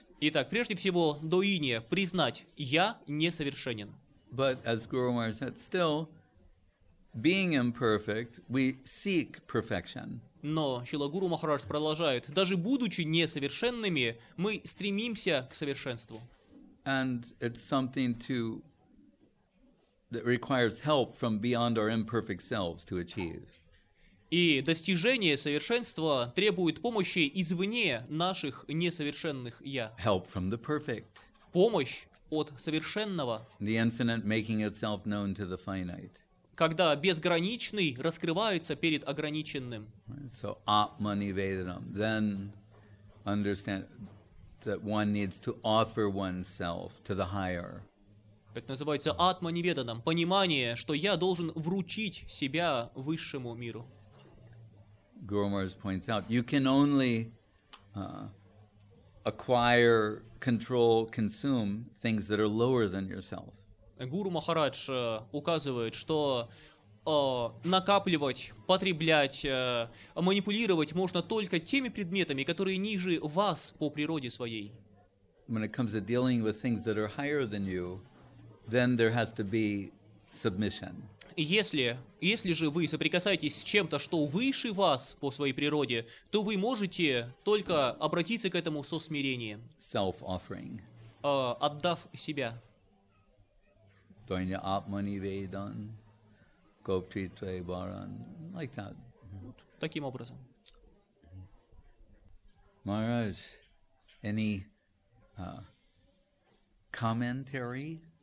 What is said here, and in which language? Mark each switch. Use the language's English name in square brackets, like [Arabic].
[Russian] Итак, прежде всего, доиния, признать, я несовершенен. [English] But as Guru Maharaj said, still, being imperfect, we seek perfection. [Russian] Но Шрила Гуру Махарадж продолжает: даже будучи несовершенными, мы стремимся к совершенству. [English] And it's something that requires help from beyond our imperfect selves to achieve. [Russian] И достижение совершенства требует помощи извне наших несовершенных я. [English] Help from the perfect. [Russian] Помощь от совершенного. [English] The infinite making itself known to the finite. [Russian] Когда безграничный раскрывается перед ограниченным. [English] So, atmanivedanam. Then understand that one needs to offer oneself to the higher. [Russian] Это называется атманиведанам. Понимание, что я должен вручить себя высшему миру. [English] Guru Maharaj points out, you can only acquire, control, consume things that are lower than yourself. [Russian] Гуру Махарадж указывает, что накапливать, потреблять, манипулировать можно только теми предметами, которые ниже вас по природе своей. [English] When it comes to dealing with things that are higher than you, then there has to be submission. [Russian] Если же вы соприкасаетесь с чем-то, что выше вас по своей природе, то вы можете только обратиться к этому со смирением. [English] Self-offering. [Russian] Отдав себя. [Sanskrit] Doinya Atmani Vedan, Gopti Tvay Bharan, [English] like that. [Russian] Таким образом. [English] Maharaj, any commentary?